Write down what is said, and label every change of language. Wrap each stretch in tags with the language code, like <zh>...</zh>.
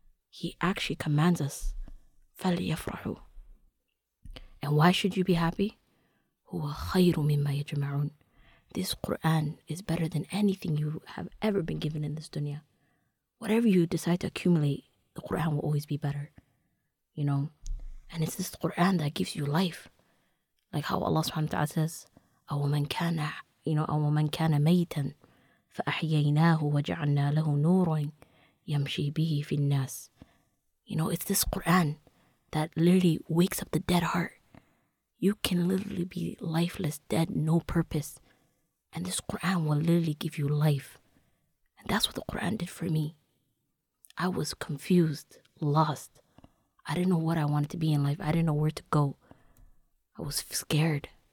<en>He actually commands us, falyafrahu. And why should you be happy?</en> <ar>هُوَ خَيْرُ مِمَّا يَجْمَعُونَ.</ar> <en>This Qur'an is better than anything you have ever been given in this dunya. Whatever you decide to accumulate, the Qur'an will always be better. You know? And it's this Qur'an that gives you life. Like how Allah subhanahu wa ta'ala says,</en> <ar>أَوَمَنْ كَانَ,</ar> <en>you know,</en> <ar>أَوَمَنْ كَانَ مَيْتًا فَأَحْيَيْنَاهُ وَجَعَلْنَا لَهُ نُورًا يَمْشِي بِهِ فِي النَّاسِ.</ar> <en>You know, it's this Qur'an that literally wakes up the dead heart. You can literally be lifeless, dead, no purpose. And this Quran will literally give you life. And that's what the Quran did for me. I was confused, lost. I didn't know what I wanted to be in life. I didn't know where to go. I was scared.</en>